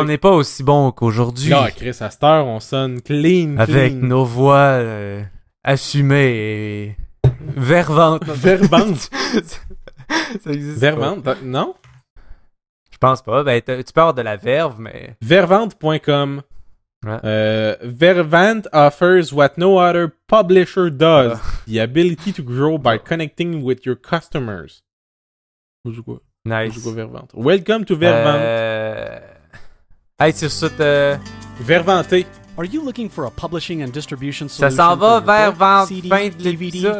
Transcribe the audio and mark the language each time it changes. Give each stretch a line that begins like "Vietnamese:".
French: On n'est pas aussi bon qu'aujourd'hui. Non, Chris, à cette heure, on sonne clean. Avec nos voix assumées et verbantes. Verbantes. Ça existe. Verbantes, non? Je pense pas. Ben, tu peux avoir de la verve, mais. Vervante.com.
English: Vervant offers what no other publisher does: the ability to grow by connecting with your customers.
French: Où c'est quoi?
English: Nice. Welcome to Vervant.
French: Hey, sur ce, Vervanté.
English: Are you looking for a publishing and distribution solution?
French: Ça s'en va vers vente, fin de DVD,